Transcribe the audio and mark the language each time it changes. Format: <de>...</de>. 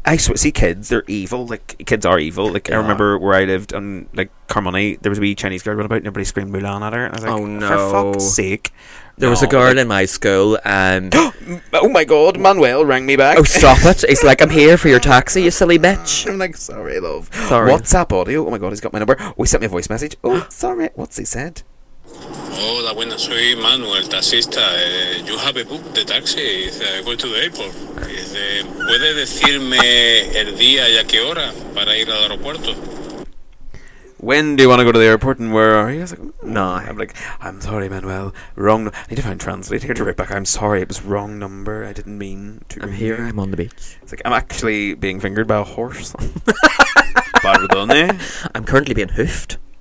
<en>I swear, see kids, they're evil. Like, kids are evil. Like, yeah. I remember where I lived and, like, Carmoney, there was a wee Chinese girl running about and everybody screamed Mulan at her. And I was like, oh, no. For fuck's sake. There was a girl in my school and... oh my God, Manuel rang me back. Oh, stop it. He's like, I'm here for your taxi, you silly bitch. I'm like, sorry, love. Sorry. WhatsApp audio. Oh my God, he's got my number. Oh, he sent me a voice message. Oh, sorry. What's he said?</en> <es>Hola, buenas, soy Manuel, taxista. You have a book de taxi. I go to the airport. ¿Puede decirme el día y a qué hora para ir al aeropuerto?</es> <en>When do you want to go to the airport and where are you? No. I'm like, I'm sorry, Manuel. Wrong. I need to find translate here to write back. I'm sorry, it was wrong number. I didn't mean to. I'm here, I'm on the beach. It's like, I'm actually being fingered by a horse. Pardon. I'm currently being hoofed.</en>